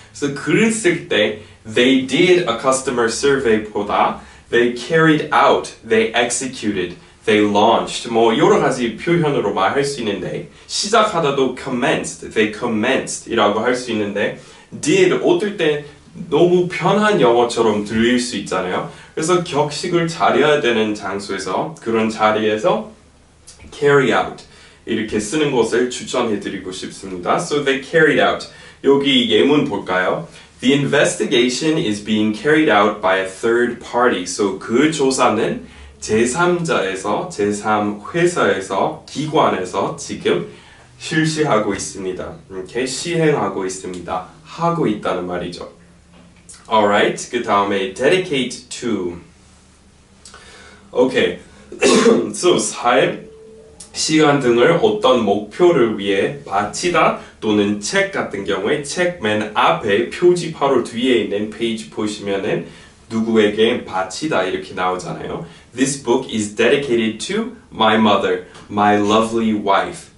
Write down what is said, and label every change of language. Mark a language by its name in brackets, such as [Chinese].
[Korean] 그래서 글을 쓸 때 [English] they did a customer survey [Korean] 보다 [English] they carried out, they executed, they launched [Korean] 뭐 여러 가지 표현으로 말할 수 있는데 시작하다도 commenced, they commenced 이라고 할 수 있는데 did 어떨 때 너무 편한 영어처럼 들릴 수 있잖아요. 그래서 격식을 차려야 되는 장소에서 그런 자리에서 carry out 이렇게 쓰는 것을 추천해드리고 싶습니다. [English] So they carried out. [Korean] 여기 예문 볼까요? [English] The investigation is being carried out by a third party. [Korean] So 그 조사는 제3자에서, 제3회사에서, 기관에서 지금 실시하고 있습니다. 이렇게 시행하고 있습니다. 하고 있다는 말이죠. Alright, 그 다음에 dedicate to. Okay, so 삶, 시간 등을 어떤 목표를 위해 바치다 또는 책 같은 경우에 책 맨 앞에 표지 바로 뒤에 있는 페이지 보시면은 누구에게 바치다 이렇게 나오잖아요. [English] This book is dedicated to my mother, my lovely wife.